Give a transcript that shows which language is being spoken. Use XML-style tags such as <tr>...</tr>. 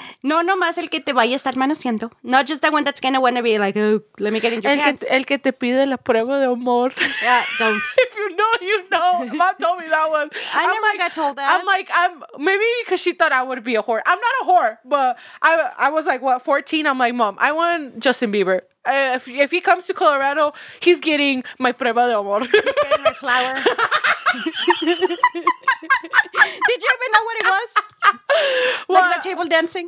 <es>No nomás el que te vaya a estar manoseando.</es> <en>Not just the one that's going to want to be like, oh, let me get in your pants.</en> <es>El que te pide la prueba de amor.</es> <en>Yeah, don't. If you know, you know. Mom told me that one. I never got told that. I'm like, maybe because she thought I would be a whore. I'm not a whore, but I was like, what, 14? I'm like, mom, I want Justin Bieber. If he comes to Colorado, he's getting my</en> <es>prueba de amor.</es> <en>He's getting my flower. Did you even know what it was? What? Like the table dancing?</en>